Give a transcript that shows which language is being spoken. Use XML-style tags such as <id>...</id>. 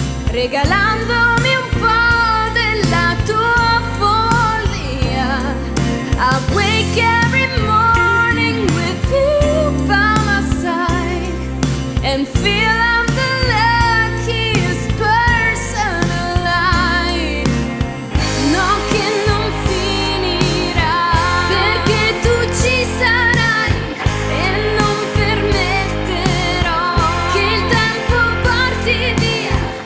<it>Regalandomi un po' della tua follia.</it> <en>I wake every morning with you by my side and feel I'm the luckiest person alive.</en> <it>No, che non finirà, perché tu ci sarai e non permetterò che il tempo porti via.</it>